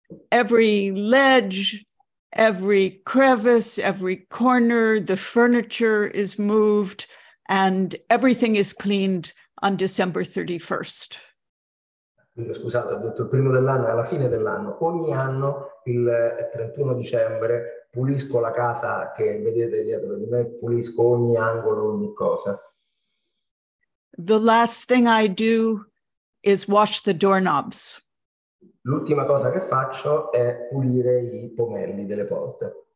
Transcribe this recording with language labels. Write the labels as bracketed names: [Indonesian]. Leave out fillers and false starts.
[English] Every ledge, every crevice, every corner, the furniture is moved and everything is cleaned on December 31st. [Italian] Scusate, ho detto il primo dell'anno, alla fine dell'anno. Ogni anno, il 31 dicembre, pulisco la casa che vedete dietro di me, pulisco ogni angolo, ogni cosa. [English] The last thing I do is wash the doorknobs. [Italian] L'ultima cosa che faccio è pulire i pomelli delle porte.